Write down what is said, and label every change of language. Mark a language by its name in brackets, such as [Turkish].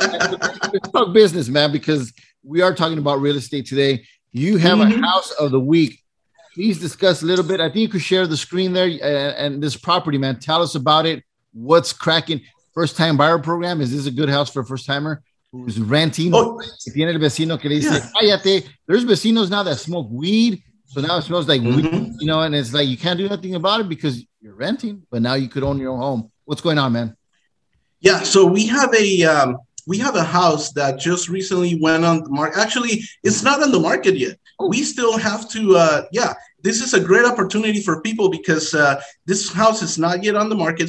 [English] Let's talk business, man, because we are talking about real estate today. You have a house of the week. Please discuss a little bit. I think you could share the screen there and this property, man. Tell us about it. What's cracking? first-time buyer program? Is this a good house for a first-timer who's renting? Oh. [Spanish] Tiene el vecino que le dice, cállate. [English] There's vecinos now that smoke weed. So now it smells like weed, you know, and it's like you can't do nothing about it because you're renting, but now you could own your own home. What's going on, man? Yeah, so we have a house that just recently went on the market. Actually, it's not on the market yet. We still have to, this is a great opportunity for people because this house is not yet on the market.